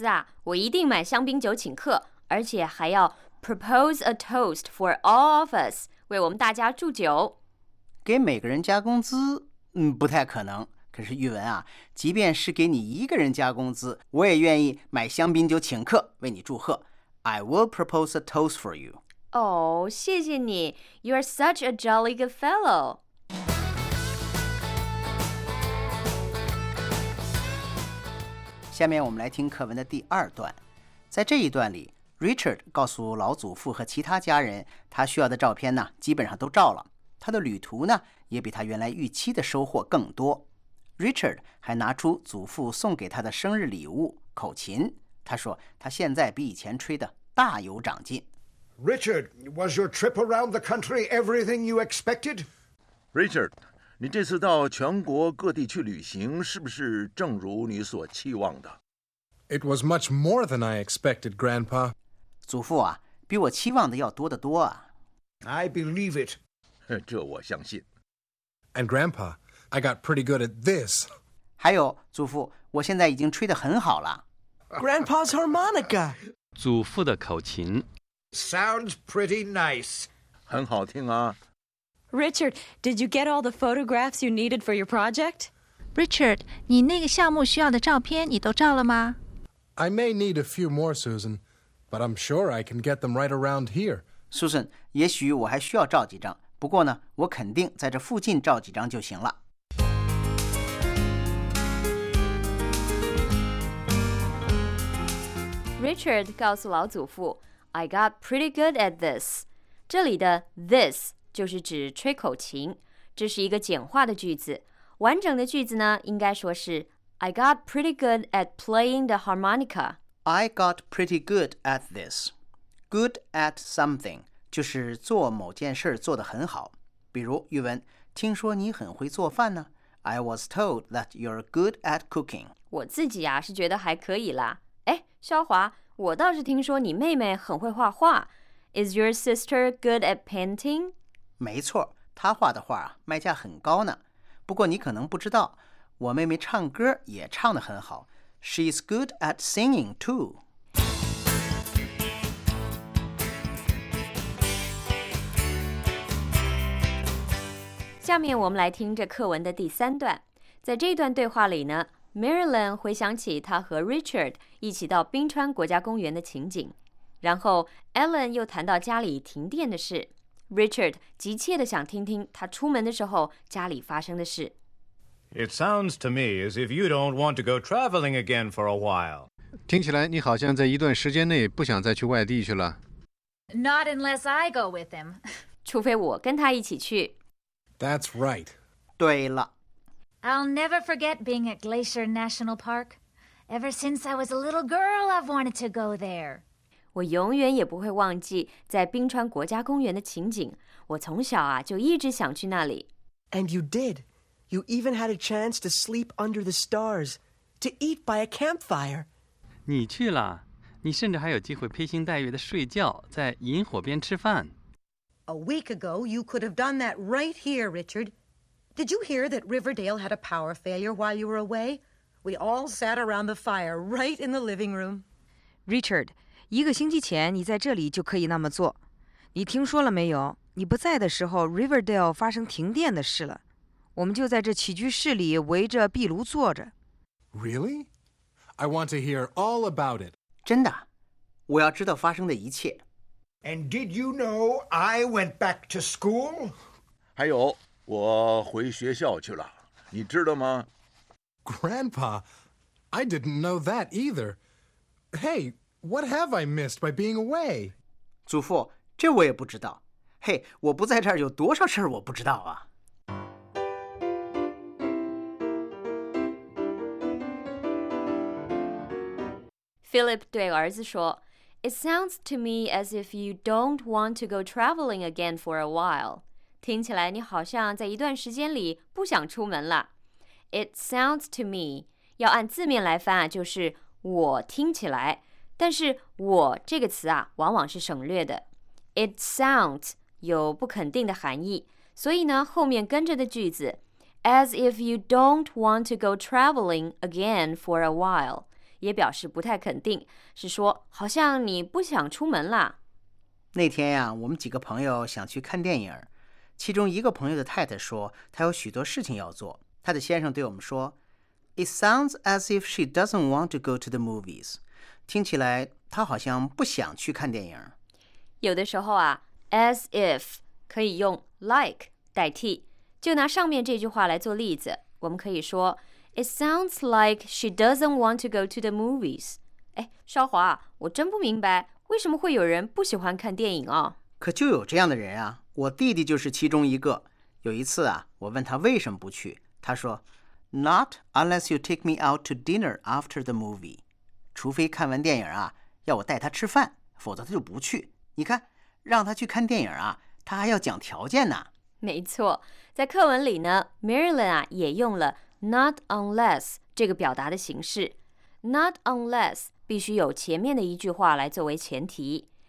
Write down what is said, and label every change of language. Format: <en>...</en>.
<zh>可是给每个人涨工资，恐怕没有这种好事，不太可能。要真是涨工资啊，我一定买香槟酒请客，而且还要</zh> <en>propose a toast for all of us，</en> <zh>为我们大家祝酒。给每个人加工资，不太可能。可是玉文啊，即便是给你一个人加工资，我也愿意买香槟酒请客为你祝贺。</zh> <en>I will propose a toast for you.</en> <zh>哦，谢谢你。</zh> <en>You are such a jolly good fellow.</en> <zh>下面我们来听课文的第二段。在这一段里， Richard 告诉老祖父和其他家人，他需要的照片呢，基本上都照了。他的旅途呢，也比他原来预期的收获更多。Richard 还拿出祖父送给他的生日礼物——口琴。他说，他现在比以前吹得大有长进。</zh> <en>Richard, was your trip around the country everything you expected?</en> <zh>Richard, 你这次到全国各地去旅行是不是正如你所期望的?</zh> <en>It was much more than I expected, Grandpa.</en> <zh>祖父啊, 比我期望的要多得多啊。</zh> <en>I believe it.</en> <zh>这我相信。</zh> <en>And Grandpa, I got pretty good at this.</en> <zh>还有，祖父，我现在已经吹得很好了。</zh> <en>Grandpa's harmonica.</en> <zh>祖父的口琴。</zh> <en>Sounds pretty nice.</en> <zh>很好听啊。</zh> <en>Richard, did you get all the photographs you needed for your project?</en> <zh>Richard, 你那个项目需要的照片你都照了吗？</zh> <en>I may need a few more, Susan, but I'm sure I can get them right around here.</en> <zh>Susan, 也许我还需要照几张，不过呢，我肯定在这附近照几张就行了。</zh> <en>Richard</en> <zh>告诉老祖父</zh> <en>,I got pretty good at this.</en> <zh>这里的 this 就是指吹口琴，这是一个简化的句子。完整的句子呢，应该说是</zh> <en>I got pretty good at playing the harmonica. I got pretty good at this. Good at something</en> <zh>就是做某件事做得很好。比如语文，听说你很会做饭呢。</zh> <en>I was told that you're good at cooking.</en> <zh>我自己啊是觉得还可以啦。哎，肖华，我倒是听说你妹妹很会画画。</zh> <en>Is your sister good at painting?</en> <zh>没错，她画的画啊卖价很高呢。不过你可能不知道。我妹妹唱歌也唱得很好。</zh> <en>She's good at singing too.</en> <zh>下面我们来听这课文的第三段。在这段对话里呢 ,Marilyn 回想起她和 Richard 一起到冰川国家公园的情景。然后 ,Ellen 又谈到家里停电的事。Richard 急切地想听听她出门的时候家里发生的事。</zh> <en>It sounds to me as if you don't want to go traveling again for a while.</en> <zh>听起来你好像在一段时间内不想再去外地去了。</zh> <en>Not unless I go with him.</en> <zh>除非我跟他一起去。</zh> <en>That's right.</en> <zh>对了。</zh> <en>I'll never forget being at Glacier National Park. Ever since I was a little girl, I've wanted to go there.</en> <zh>我永远也不会忘记在冰川国家公园的情景。我从小啊就一直想去那里。</zh> <en>And you did. You even had a chance to sleep under the stars, to eat by a campfire.</en> <zh>你去了，你甚至还有机会披星戴月的睡觉，在萤火边吃饭。</zh> <en>A week ago, you could have done that right here, Richard. Did you hear that Riverdale had a power failure while you were away? We all sat around the fire right in the living room.</en> <zh>Richard, 一个星期前你在这里就可以那么做。你听说了没有？你不在的时候 ，Riverdale 发生停电的事了。我们就在这起居室里围着壁炉坐着。</zh> <en>Really? I want to hear all about it.</en> <zh>真的，我要知道发生的一切。</zh> <en>And did you know I went back to school?</en> <zh>还有，我回学校去了，你知道吗</zh> <en>？Grandpa, I didn't know that either. Hey, what have I missed by being away?</en> <zh>祖父，这我也不知道。嘿，我不在这儿有多少事儿我不知道啊。</zh> <en>Philip</en> <zh>对儿子说</zh> <en>It sounds to me as if you don't want to go traveling again for a while.</en> <zh>听起来你好像在一段时间里不想出门了。</zh> <en>It sounds to me,</en> <zh>要按字面来翻啊，就是我听起来。但是我这个词啊，往往是省略的。</zh> <en>It sounds</en> <zh>有不肯定的含义，所以呢，后面跟着的句子</zh> <en>As if you don't want to go traveling again for a while.</en> <zh>也表示不太肯定，是说好像你不想出门了。那天呀，我们几个朋友想去看电影，其中一个朋友的太太说她有许多事情要做。她的先生对我们说</zh> <en>，It sounds as if she doesn't want to go to the movies。</en> <zh>听起来她好像不想去看电影。有的时候啊 ，as if 可以用 like 代替，就拿上面这句话来做例子，我们可以说。</zh> <en>It sounds like she doesn't want to go to the movies.</en> <zh>哎，肖华，我真不明白为什么会有人不喜欢看电影哦。可就有这样的人啊，我弟弟就是其中一个。有一次啊，我问他为什么不去，他说</zh> <en>，Not unless you take me out to dinner after the movie.</en> <zh>除非看完电影啊，要我带他吃饭，否则他就不去。你看，让他去看电影啊，他还要讲条件呢。没错，在课文里呢 ，Marilyn 啊也用了。 Not unless 这个表达的形式 ，not unless 必须有前面的一句话来作为前提。</zh>